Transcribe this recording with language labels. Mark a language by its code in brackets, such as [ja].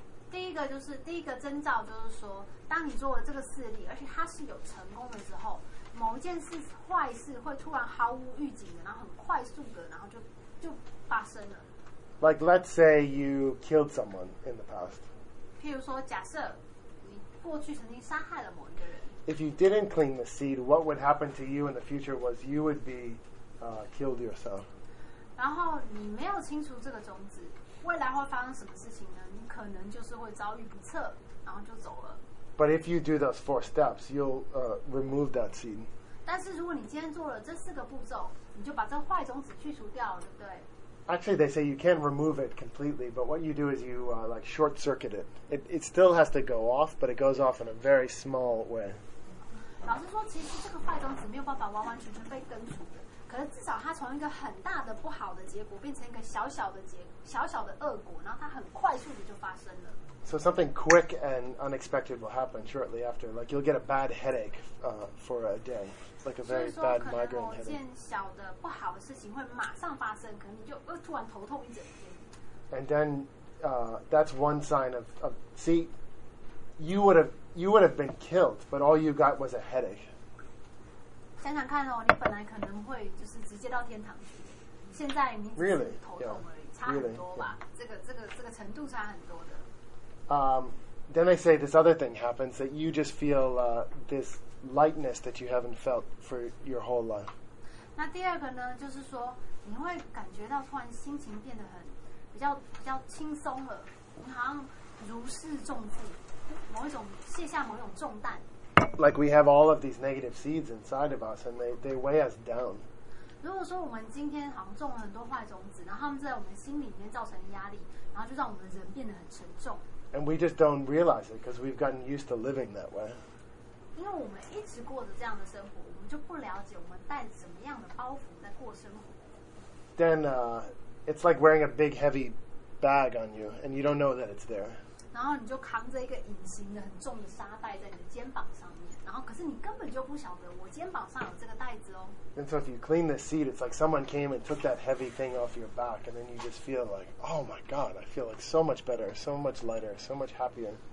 [zh] 第一个就是第一个征兆，就是说，当你做了这个事例，而且它是有成功的时候，某一件事坏事会突然毫无预警的，然后很快速的，然后就发生了。 [en] Like let's say you killed someone in the past. [zh] 譬如说，假设你过去曾经杀害了某一个人。 [en] If you didn't clean the seed, what would happen to you in the future was you would be killed yourself. [zh] 然后你没有清除这个种子，未来会发生什么事情呢？你可能就是会遭遇不测，然后就走了。 [en] But if you do those four steps, you'll remove that seed. [zh] 但是如果你今天做了这四个步骤，你就把这坏种子去除掉了，对不对？ [en] Actually, they say you can't remove it completely, but what you do is you like short circuit it. It still has to go off, but it goes off in a very small way. [zh] 老师说，其实这个坏种子没有办法完完全全被根除的，可是至少它从一个很大的不好的结果变成一个小小的结小小的恶果，然后它很快速的就发生了。 [en] So something quick and unexpected will happen shortly after. Like you'll get a bad headache for a day. Like a very bad migraine headache. [zh] 所以说可能某件小的不好的事情会马上发生，可能你就突然头痛一整天。 [en] And then that's one sign of see, you would have been killed, but all you got was a headache. [zh] 想想看哦，你本来可能会就是直接到天堂去，现在你只是头痛而已，差很多吧？ [en] Really, [zh] yeah. 这个程度差很多的。 [en] Then they say this other thing happens that you just feel this lightness that you haven't felt for your whole life. [zh] 那第二个呢，就是说你会感觉到突然心情变得很比较轻松了，你好像如释重负，某一种卸下某一种重担。 [en] Like we have all of these negative seeds inside of us, and they weigh us down. [zh] 如果说我们今天好像种了很多坏种子，然后他们在我们心里面造成压力，然后就让我们的人变得很沉重。 [en] And we just don't realize it because we've gotten used to living that way. [zh] 因为我们一直过着这样的生活，我们就不了解我们带什么样的包袱在过生活。 [en] Then it's like wearing a big heavy bag on you, and you don't know that it's there. [zh] 然后你就扛着一个隐形的很重的沙袋在你的肩膀上面，然后可是你根本就不晓得我肩膀上有这个袋子哦。 [en] And so if you clean the seed, it's like someone came and took that heavy thing off your back, and then you just feel like, oh my God, I feel like so much better, so much lighter, so much happier.